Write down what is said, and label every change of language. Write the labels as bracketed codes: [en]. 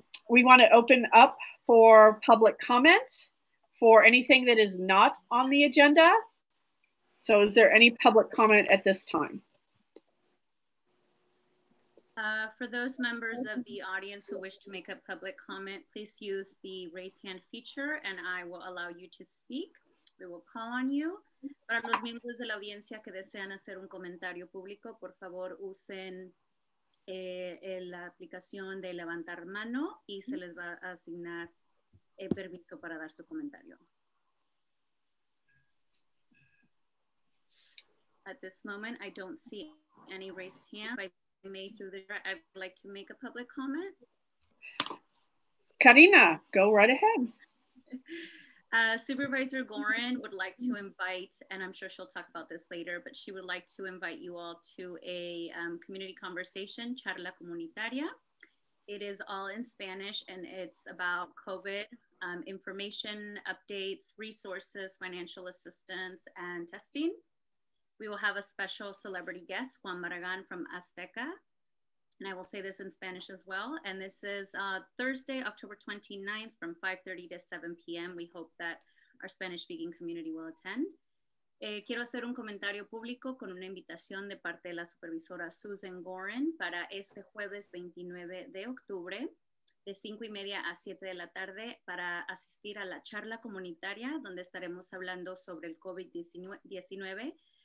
[en] We want to open up for public comment for anything that is not on the agenda. So is there any public comment at this time? For those members of the audience who wish to make a public comment, please use the raise hand feature and I will allow you to speak. We will call on you. [es] Para los miembros de la audiencia que desean hacer un comentario público, por favor usen la aplicación de levantar mano y se les va a asignar el permiso para dar su comentario. [en] At this moment, I don't see any raised hand. If I may, through the chair, I'd like to make a public comment. Karina, go right ahead. Supervisor Gorin would like to invite, and I'm sure she'll talk about this later, but she would like to invite you all to a community conversation, [es] charla comunitaria. [en] It is all in Spanish and it's about COVID information, updates, resources, financial assistance, and testing. We will have a special celebrity guest, Juan Maragan from Azteca. And I will say this in Spanish as well. And this is Thursday, October 29th from 5:30 to 7 p.m. We hope that our Spanish speaking community will attend. [es] Quiero hacer un comentario público con una invitación de parte de la supervisora Susan Gorin para este jueves 29 de octubre de 5:30 a 7 de la tarde para asistir a la charla comunitaria donde estaremos hablando sobre el COVID-19.